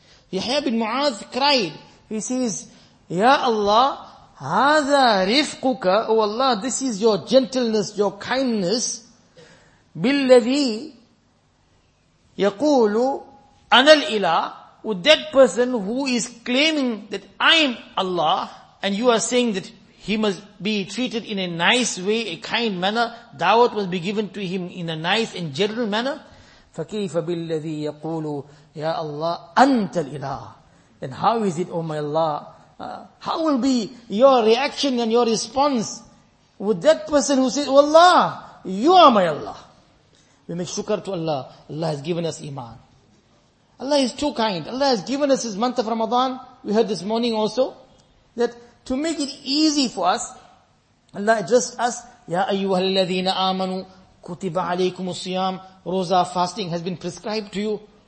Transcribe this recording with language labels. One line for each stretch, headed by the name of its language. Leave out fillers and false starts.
English: Yahya bin Mu'adh cried. He says, Ya Allah,
Arabic: هذا رفقك,
English: O Allah, this is your gentleness, your kindness,
Arabic: بالذي يقول أنا الإله,
English: with that person who is claiming that I am Allah, and you are saying that he must be treated in a nice way, a kind manner, da'wat must be given to him in a nice and general manner.
Arabic: فكيف بالذي يقول يا الله أنت الإله.
English: Then how is it, O my Allah, how will be your reaction and your response with that person who says, Wallah, you are my Allah. We make shukr to Allah. Allah has given us iman. Allah is too kind. Allah has given us this month of Ramadan. We heard this morning also that to make it easy for us, Allah addressed us,
Arabic: Ya ayyuhal ladhina amanu, kutiba alaykumus siyam,
English: roza, fasting has been prescribed to you.